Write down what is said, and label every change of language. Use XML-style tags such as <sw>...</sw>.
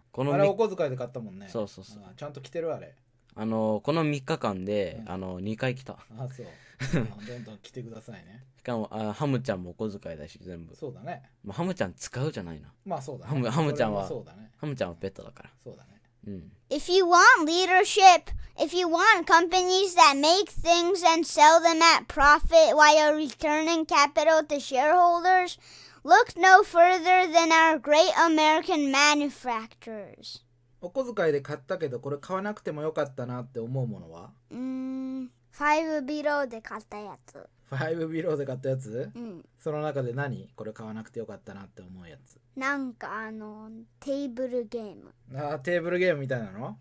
<ja>このあれお小遣いで買ったもんね。そうそうそう、ちゃんと着てるあれ。あのこの3日間で、うん、あの2回着た。あそうあどんどん着てくださいねしかもあハムちゃんもお小遣いだし全部。そうだね、まあ、ハムちゃん使うじゃないな。まあそうだね、ハムちゃんは。そうだね、ハムちゃんはペットだから、うん、そうだね。うん、</ja> <en>If you want leadership, if you want companies that make things and sell them at profit while returning capital to shareholders, look no further than our great American manufacturers.</en> <ja>お小遣いで買ったけどこれ買わなくてもよかったなって思うものは？ Five Below で買ったやつ。 Five Below で買ったやつ？うん。その中で何？これ買わなくてよかったなって思うやつ。なんかあのテーブルゲーム。あーテーブルゲームみたいなの？</ja>